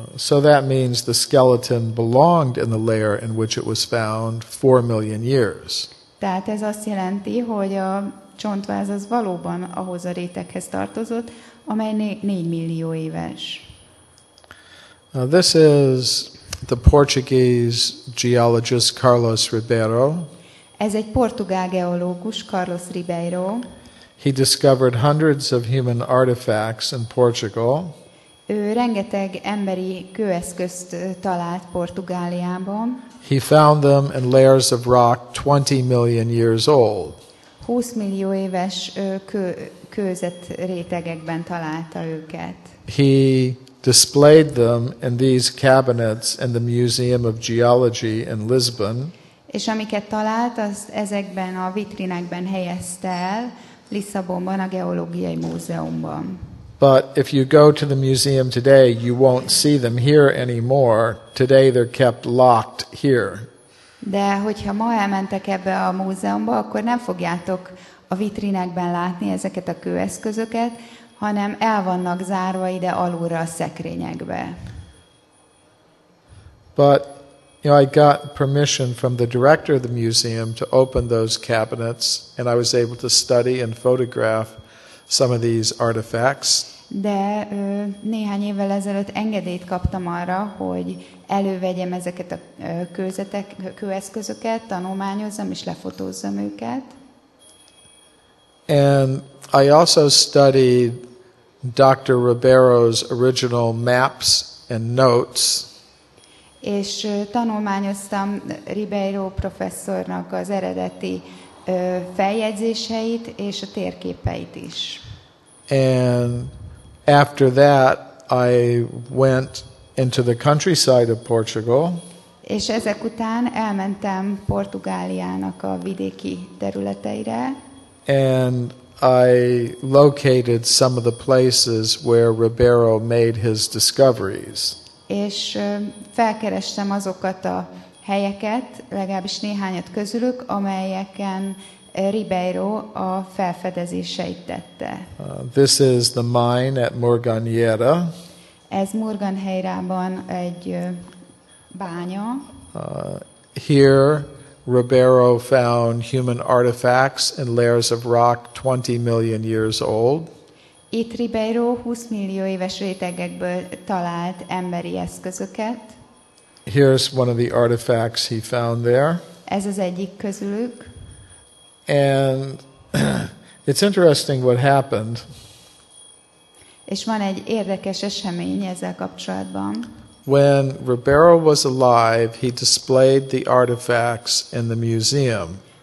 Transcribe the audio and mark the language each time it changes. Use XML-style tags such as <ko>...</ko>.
<en>So that means the skeleton belonged in the layer in which it was found 4 million years.</en> <hu>Tehát ez azt jelenti, hogy a csontváz az valóban ahhoz a réteghez tartozott, amely 4 millió éves.</hu> <en>Now this is the Portuguese geologist Carlos Ribeiro.</en> <hu>Ez egy portugál geológus, Carlos Ribeiro.</hu> <en>He discovered hundreds of human artifacts in Portugal.</en> <hu>Ő rengeteg emberi kőeszközt talált Portugáliában.</hu> <en>He found them in layers of rock 20 million years old.</en> <hu>20 millió éves kőzet rétegekben találta őket.</hu> <en>He displayed them in these cabinets in the Museum of Geology in Lisbon.</en> <hu>És amiket talált, az ezekben a vitrinekben helyezte el, Lisszabonban, a geológiai múzeumban.</hu> <en>But if you go to the museum today, you won't see them here anymore. Today they're kept locked here.</en> <hu>De hogyha ma elmentek ebbe a múzeumba, akkor nem fogjátok a vitrinekben látni ezeket a kőeszközöket, hanem el vannak zárva ide alulra a szekrényekbe.</hu> <en>But You know, I got permission from the director of the museum to open those cabinets, and I was able to study and photograph some of these artifacts.</en> <hu>De néhány évvel ezelőtt engedélyt kaptam arra, hogy elővegyem ezeket a kőeszközöket, tanulmányozzam és lefotózzam őket.</hu> <en>And I also studied Dr. Ribeiro's original maps and notes.</en> <hu>És tanulmányoztam Ribeiro professzornak az eredeti feljegyzéseit és a térképeit is.</hu> <en>And after that I went into the countryside of Portugal.</en> <hu>És ezek után elmentem Portugáliának a vidéki területeire.</hu> <en>And I located some of the places where Ribeiro made his discoveries.</en> <hu>És felkerestem azokat a helyeket, legalábbis néhányat közülük, amelyeken Ribeiro a felfedezéseit tette.</hu> <en>This is the mine at Morganheira.</en> <hu>Ez Morganheirában egy bánya.</hu> <en>Here Ribeiro found human artifacts and layers of rock 20 million years old.</en> <hu>Itt Ribeiro 20 millió éves rétegekből talált emberi eszközöket.</hu> <en>Here's one of the artifacts he found there.</en> <hu>Ez az egyik közülük.</hu> <en>And it's interesting what happened.</en> <hu>És van egy érdekes esemény ezzel kapcsolatban.</hu> <en>When Ribeiro was alive, he displayed the artifacts in the museum.</en>